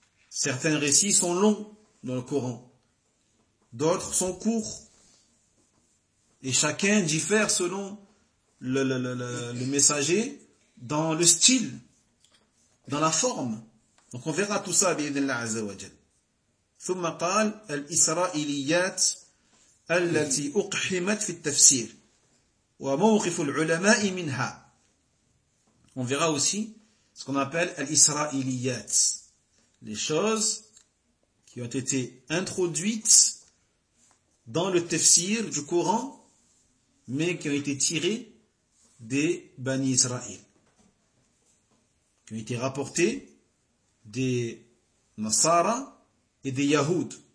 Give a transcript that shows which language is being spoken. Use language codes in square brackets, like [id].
[fr] Certains récits sont longs dans le Coran, d'autres sont courts. Et chacun diffère selon le messager dans le style, dans la forme. Donc on verra tout ça avec Allah Azza wa Jal. [ar] ثم قال الإسرائيليات التي أقحمت في التفسير وموقف العلماء منها. [fr] On verra aussi ce qu'on appelle الإسرائيليات, les choses qui ont été introduites dans le tafsir du Coran, mais qui ont été tirés des Bani Israël, qui ont été rapportés des Nasara et des Yahoud,